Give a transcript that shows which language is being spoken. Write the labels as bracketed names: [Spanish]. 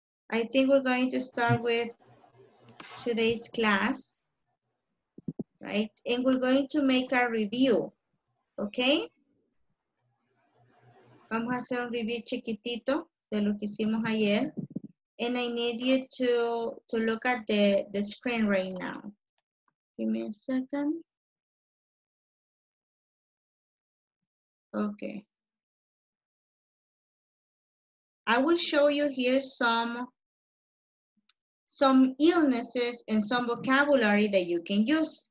[English] I think we're going to start with today's class, right? And we're going to make a review, okay? [Spanish] Vamos a hacer un review chiquitito de lo que hicimos ayer. [English] And I need you to look at the screen right now. Give me a second. Okay. I will show you here some illnesses and some vocabulary that you can use.